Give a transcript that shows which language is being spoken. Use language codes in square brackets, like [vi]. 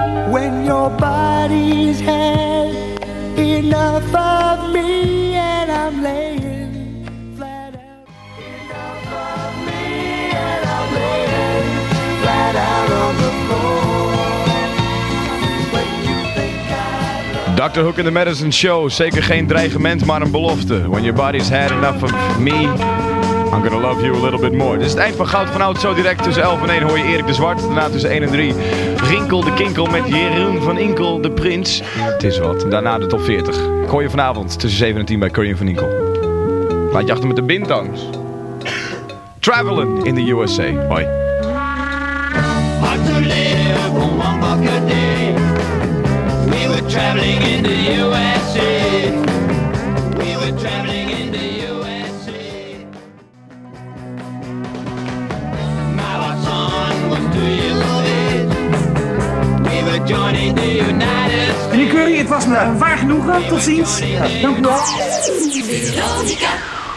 [en] When your body's had enough of me and I'm laying flat out. Dr. Hook in the Medicine Show. [nl] Zeker geen dreigement, maar een belofte. [en] When your body's had enough of me, I'm gonna love you a little bit more. [nl] Dit is het eind van Goud van Oud. Zo direct tussen 11 en 1 hoor je Erik de Zwart. Daarna tussen 1 en 3 Rinkel de Kinkel met Jeroen van Inkel, de prins. Het is wat. Daarna de top 40. Ik hoor je vanavond tussen 7 en 10 bij Corien van Inkel. Laat je achter met de bintangs. [en] Traveling in the USA. [nl] Hoi. [en] Hard to live on one buck a day. We were traveling in the USA. We were traveling in the USA. My heart's on was to you love it. We were joining the United States. [nl] En die Curry, het was me een waar genoegen. Tot ziens. Ja. Dank u wel.